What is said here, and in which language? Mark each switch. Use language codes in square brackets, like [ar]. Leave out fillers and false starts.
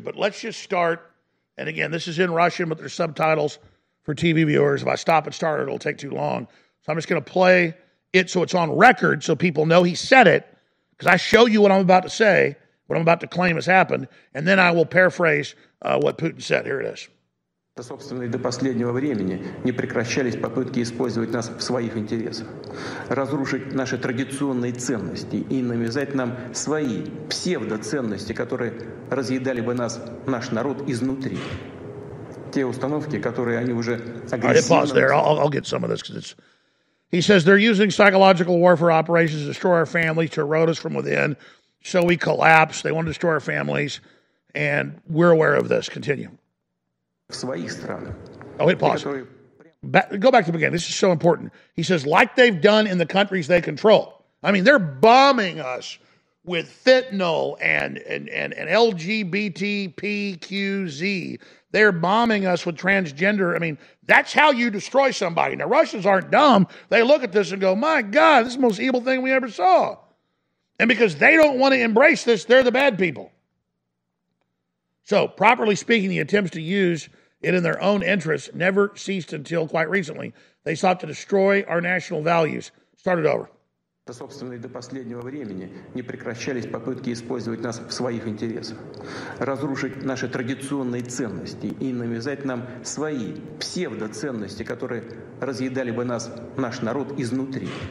[en] But let's just start. And again, this is in Russian, but there's subtitles for TV viewers. If I stop and start, it'll take too long. So I'm just going to play it so it's on record so people know he said it, because I show you what I'm about to say, what I'm about to claim has happened, and then I will paraphrase what Putin said. Here it is. [ru] Собственно, до последнего времени не прекращались попытки использовать нас в своих интересах, разрушить наши традиционные ценности и навязать нам свои псевдоценности, которые разъедали бы нас, наш народ, изнутри. Те установки, которые они уже агрессивно... [en] All right, pause there. I'll get some of this, because it's... He says they're using psychological warfare operations to destroy our families, to erode us from within, so we collapse. They want to destroy our families, and we're aware of this. Continue. Oh, hit pause. Go back to the beginning. This is so important. He says, like they've done in the countries they control. I mean, they're bombing us with fentanyl and LGBTPQZ. They're bombing us with transgender. I mean, that's how you destroy somebody. Now, Russians aren't dumb. They look at this and go, my God, this is the most evil thing we ever saw. And because they don't want to embrace this, they're the bad people. So, properly speaking, the attempts to use it in their own interests never ceased until quite recently. They sought to destroy our national values. Start it over. [ru] Собственно, и до последнего времени не прекращались попытки использовать нас в своих интересах, разрушить наши традиционные ценности и навязать нам свои псевдоценности, которые разъедали бы нас, наш народ, изнутри.